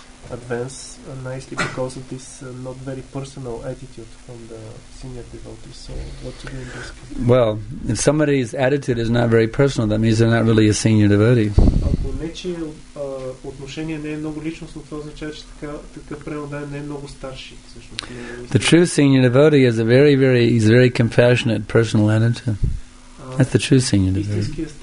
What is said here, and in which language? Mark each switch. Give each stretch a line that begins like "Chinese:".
English: advance nicely because of this not very personal attitude from the senior devotees. So what to do in this case? Well, if somebody's attitude is not very personal, that means they're not really a senior devotee.
Bulgarian: Ако нечие отношение не е много личностно, това означава, че такъв преподаван не е много старши.
English: The true senior devotee is a very, very, he's very compassionate personal attitude. That's the true senior devotee.